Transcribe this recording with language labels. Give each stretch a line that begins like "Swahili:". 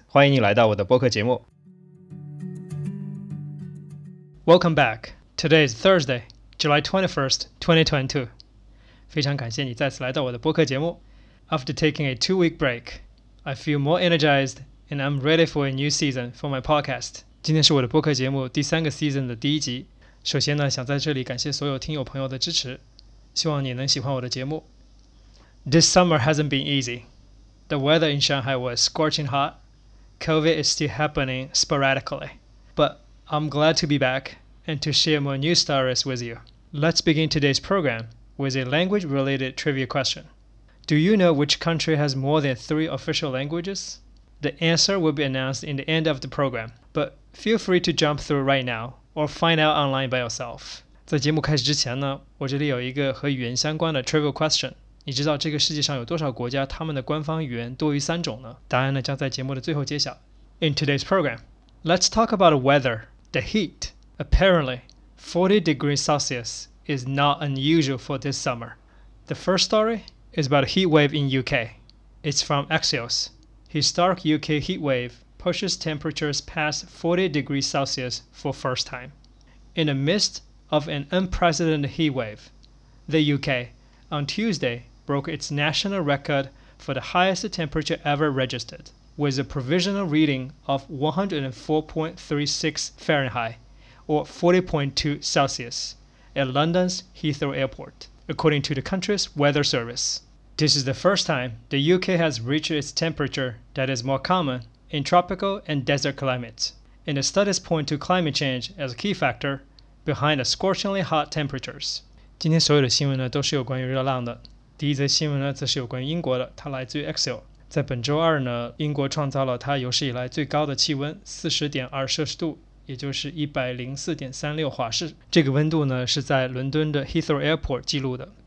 Chinese: 欢迎你来到我的播客节目。
English: Welcome back. Today is Thursday, July 21st, 2022.
Chinese: 非常感谢你再次来到我的播客节目。
English: After taking a two-week break, I feel more energized and I'm ready for a new season for my podcast.
Chinese: 今天是我的播客节目第三个 season 的第一集。首先呢，想在这里感谢所有听友朋友的支持，希望你能喜欢我的节目。
English: This summer hasn't been easy. The weather in Shanghai was scorching hot. COVID is still happening sporadically. But I'm glad to be back and to share more news stories with you. Let's begin today's program with a language-related trivia question. Do you know which country has more than three official languages? The answer will be announced in the end of the program, but feel free to jump through right now or find out online by yourself.
Chinese: 在节目开始之前呢，我这里有一个和语言相关的 trivia question。你知道这个世界上有多少国家他们的官方语言多于三种呢？答案呢将在节目的最后揭晓。
English: In today's program, let's talk about weather, the heat. Apparently, 40 degrees Celsius is not unusual for this summer. The first story is about a heat wave in UK. It's from Axios. Historic UK heat wave pushes temperatures past 40 degrees Celsius for first time. In the midst of an unprecedented heat wave, the UK, on Tuesday,broke its national record for the highest temperature ever registered, with a provisional reading of 104.36 Fahrenheit, or 40.2 Celsius, at London's Heathrow Airport, according to the country's weather service. This is the first time the UK has reached its temperature that is more common in tropical and desert climates, and the studies point to climate change as a key factor behind the scorchingly hot temperatures.
Chinese: 今天所有的新闻呢，都是有关于热浪的。第一则新闻呢，则是有关于英国的，它来自于 Axel。在本周二呢，英国创造了它有史以来最高的气温 40.2 摄氏度，也就是 104.36 华氏。这个温度呢，是在伦敦的 Heathrow Airport 记录的。